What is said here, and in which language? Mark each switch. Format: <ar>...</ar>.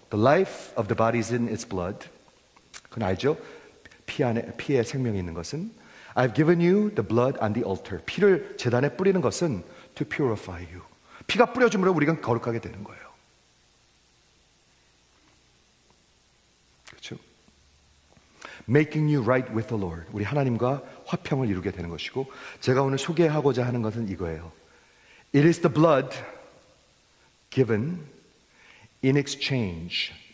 <en>The life of the body is in its blood.</en> <ko>그건 알죠? 피에 생명이 있는 것은.</ko> <en>I've given you the blood on the altar.</en> <ko>피를 제단에 뿌리는 것은</ko> <en>to purify you.</en> <ko>피가 뿌려짐으로 우리가 거룩하게 되는 거예요.</ko> <en>Making you right with the Lord.</en> <ko>우리 하나님과 화평을 이루게 되는 것이고 제가 오늘 소개하고자 하는 것은 이거예요.</ko> <en>It is the blood given in exchange.</en>